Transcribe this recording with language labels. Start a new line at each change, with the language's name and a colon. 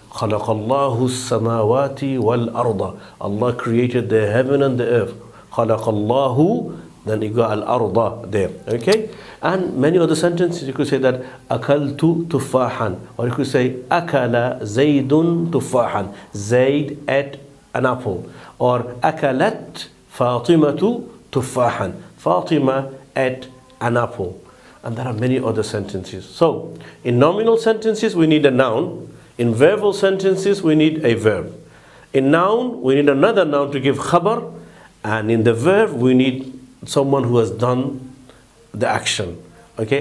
Arabic: خَلَقَ اللَّهُ السَّمَاوَاتِ وَالْأَرْضَ.
English: Allah created the heaven and the earth.
Arabic: خَلَقَ اللَّهُ.
English: Then you got الْأَرْضَ there. Okay, and many other sentences you could say that
Arabic: أَكَلْتُ تُفَاحًا.
English: Or you could say
Arabic: أَكَلَ زَيْدٌ تُفَاحًا.
English: Zayd ate an apple. Or
Arabic: أَكَلَتْ فَاطِمَةُ تُفَاحًا.
English: Fatima ate an apple. And there are many other sentences. So, in nominal sentences, we need a noun. In verbal sentences, we need a verb. In noun, we need another noun to give khabar. And in the verb, we need someone who has done the action. Okay?